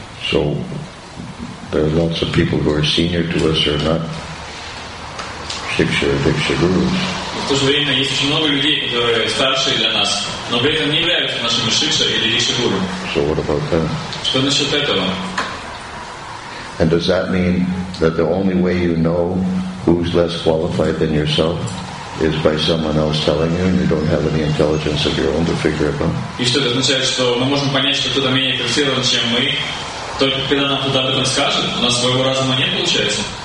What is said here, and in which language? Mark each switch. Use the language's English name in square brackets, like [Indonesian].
[English] So, there are lots of people who are senior to us or not. [Russian] Шикша Гурус. В то же время есть очень много людей, которые старше для нас, но при этом не являются нашими Шикша или Риши Гуру. [English] So what about them? [Russian] Что насчет этого? [English] And does that mean that the only way you know who's less qualified than yourself is by someone else telling you, and you don't have any intelligence of your own to figure it out? [Russian] И что это означает, что мы можем понять, что кто-то менее квалифицирован, чем мы, только когда нам кто-то об этом скажет? У нас своего разума нет, получается?